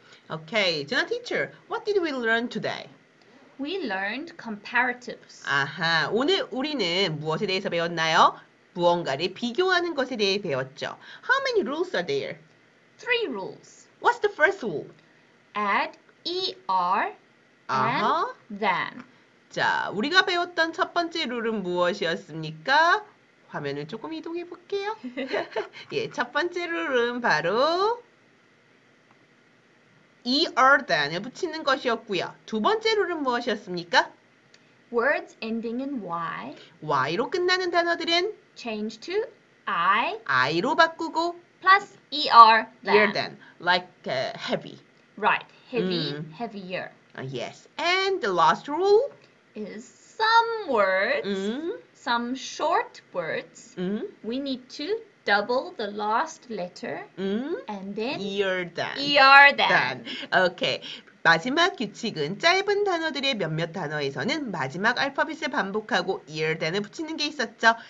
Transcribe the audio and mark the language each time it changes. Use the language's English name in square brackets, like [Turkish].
[English] Okay, Juna teacher, what did we learn today? We learned comparatives. [Korean] 아하, 오늘 우리는 무엇에 대해서 배웠나요? 무언가를 비교하는 것에 대해 배웠죠. [English] How many rules are there? Three rules. What's the first rule? Add er 아하. and then. [Korean] 자, 우리가 배웠던 첫 번째 룰은 무엇이었습니까? 화면을 조금 이동해 볼게요. 예, 첫 번째 룰은 바로 er, then을 붙이는 것이었고요. 두 번째 룰은 무엇이었습니까? [English] Words ending in y. [Korean] y로 끝나는 단어들은 [English] change to i. [Korean] i로 바꾸고 [English] plus er, then. Er, then. Like heavy. Right. Heavy, heavier. Yes. And the last rule is some words, some short words, we need to double the last letter and then ear than. Ear than. Okay. [Korean] 마지막 규칙은 짧은 단어들의 몇몇 단어에서는 마지막 알파벳을 반복하고 ear than을 붙이는 게 있었죠.